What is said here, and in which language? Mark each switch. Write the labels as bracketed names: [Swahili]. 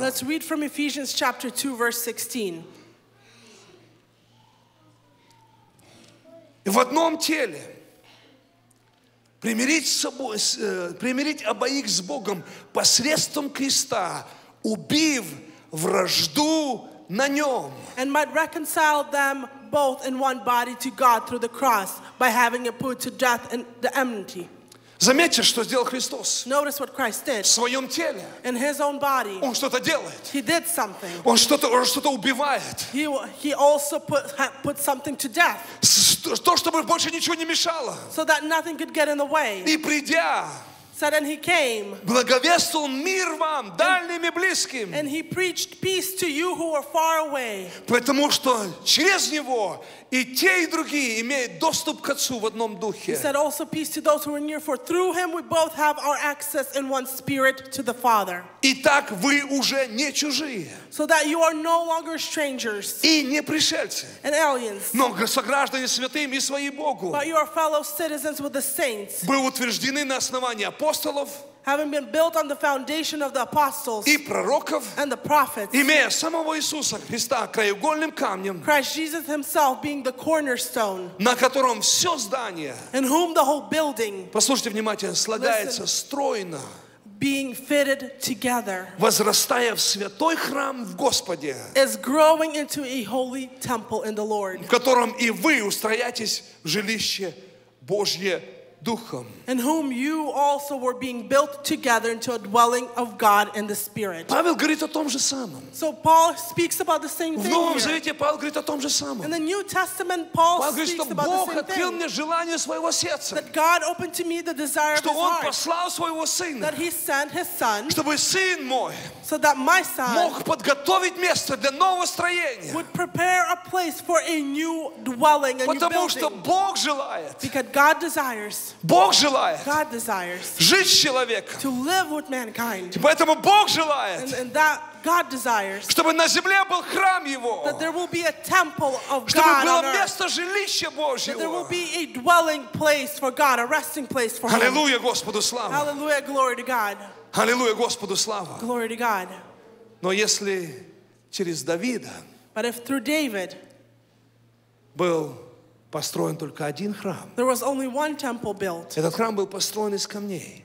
[English] Let's read from Ephesians chapter 2 verse 16. [Russian] В одном теле примирить с собой, примирить обоих с Богом посредством креста, убив вражду на нем. [English] And might reconcile them both in one body to God through the cross by having it put to death in the enmity. [Russian] Заметьте, что сделал Христос. [English] Notice what Christ did. [Russian] В своем теле. [English] In his own body. [Russian] Он что-то делает. [English] He did something. [Russian] Он что-то убивает. [English] He also put something to death. [Russian] То, чтобы больше ничего не мешало. [English] So that nothing could get in the way. [Russian] И придя. [English] So then he came. [Russian] Благовествовал мир вам, дальним и близким. [English] And he preached peace to you who are far away. [Russian] Потому что через него и те, и другие имеют доступ к Отцу в одном духе. [English] He said also peace to those who are near, for through him we both have our access in one spirit to the Father. [Russian] Итак, вы уже не чужие. [English] So that you are no longer strangers. [Russian] И не пришельцы. [English] And aliens. [Russian] Но сограждане святым и свои Богу. [English] But you are fellow citizens with the saints. [Russian] Вы утверждены на основании апостолов. [English] Having been built on the foundation of the apostles [Russian] и пророков, [English] and the prophets, [Russian] имея самого Иисуса Христа краеугольным камнем, [English] Christ Jesus himself being the cornerstone, [Russian] на котором все здание, [English] in whom the whole building, [Russian] послушайте внимательно, слагается стройно, [English] being fitted together, [Russian] возрастая в святой храм в Господе, [English] is growing into a holy temple in the Lord, [Russian] в котором и вы устрояетесь в жилище Божье. [English] In whom you also were being built together into a dwelling of God in the Spirit. [Russian] Павел говорит о том же самом. [English] So Paul speaks about the same thing. [Russian] В Новом Завете Павел говорит о том же самом. [English] In the New Testament, Paul speaks about the same thing. [Russian] Бог открыл мне желание своего сердца. [English] That God opened to me the desire of His heart. [Russian] Что Он послал своего Сына. [English] That He sent His Son. [Russian] Чтобы Сын мой. [English] So that my Son. [Russian] Мог подготовить место для нового строения. [English] Would prepare a place for a new dwelling, a new building. [Russian] Потому что Бог желает. [English] Because God desires. [Russian] Бог желает [English] God desires [Russian] жить с человеком. [English] To live with mankind. [Russian] И поэтому Бог желает, [English] and that God desires, [Russian] чтобы на земле был храм Его, [English] that there will be a temple of God, [Russian] чтобы было место жилища Божьего, [English] that there will be a dwelling place for God, a resting place for Him. [Russian] Аллилуйя Господу слава! [English] Аллилуйя, glory to God! [Russian] Аллилуйя Господу слава! [English] Glory to God! [Russian] Но если через Давида, [English] but if through David, [Russian] был построен только один храм. [English] There was only one temple built. [Russian] Этот храм был построен из камней.